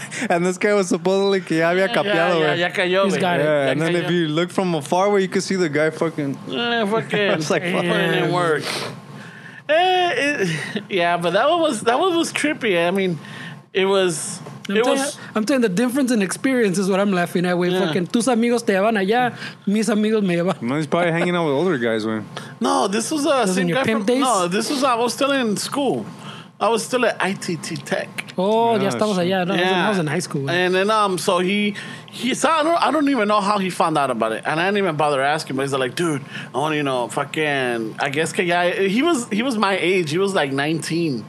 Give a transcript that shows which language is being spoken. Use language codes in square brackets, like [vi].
[en] And this guy was supposedly [es] que ya había capeado, güey. Ya cayó, [en] he's got it. Yeah, [es] ya [en] and then [es] cayó. [en] If you look from afar, where you can see the guy fucking. Fucking. It's like, fucking work. But that one was trippy. I mean, it was. I'm telling the difference in experience is what I'm laughing at. Wait, fucking [es] tus amigos te llevan allá, mis amigos me llevan. [en] No, he's probably hanging out with older guys, man. No, this was a same guy from days? No, this was I was still in school. I was still at ITT Tech. Oh, [es] ya estamos allá. [en] No, I was in high school. And then so he I don't even know how he found out about it, and I didn't even bother asking. But he's like, dude, I want, you know, fucking, I guess, cause yeah, he was my age. He was like 19.